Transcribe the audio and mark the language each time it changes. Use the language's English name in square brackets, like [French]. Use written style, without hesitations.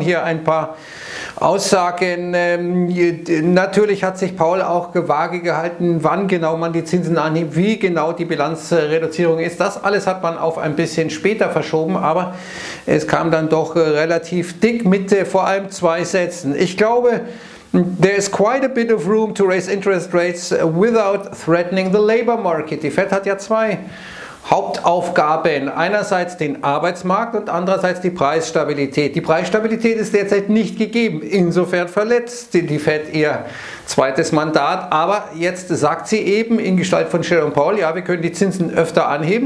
[German] Hier ein paar Aussagen. Natürlich hat sich Paul auch vage gehalten, wann genau man die Zinsen anhebt, wie genau die Bilanzreduzierung ist. Das alles hat man auf ein bisschen später verschoben, aber es kam dann doch relativ dick mit vor allem zwei Sätzen. Ich glaube, [English] there is quite a bit of room to raise interest rates without threatening the labor market. [German] Die Fed hat ja zwei Hauptaufgaben. Einerseits den Arbeitsmarkt und andererseits die Preisstabilität. Die Preisstabilität ist derzeit nicht gegeben. Insofern verletzt die Fed ihr zweites Mandat. Aber jetzt sagt sie eben in Gestalt von Jerome Powell, ja, wir können die Zinsen öfter anheben.